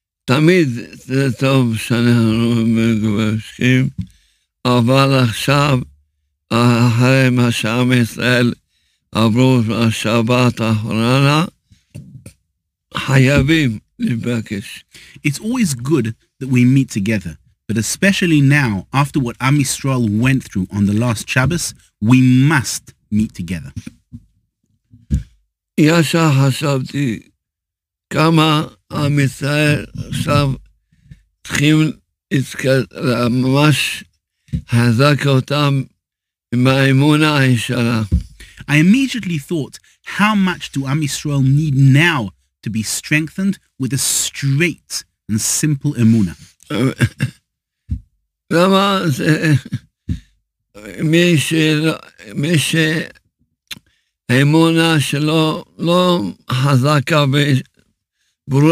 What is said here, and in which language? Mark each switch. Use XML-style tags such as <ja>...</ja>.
<he>תמיד זה טוב שאנחנו מגובשים, אבל עכשיו, אחרי מה שעם ישראל עברו בשבת האחרונה, חייבים לבקש.</he> <en>It's always good that we meet together, but especially now, after what Am Yisrael went through on the last Shabbos, we must meet together.</en> <he>ישר חשבתי, כמה עם ישראל עכשיו צריכים ממש חזק אותם עם האמונה הישרה.</he> <en>I immediately thought, how much do Am Yisrael need now to be strengthened with a straight and simple emuna?</en> <he>למה זה מי ש האמונה שלו לא חזקה ב</he>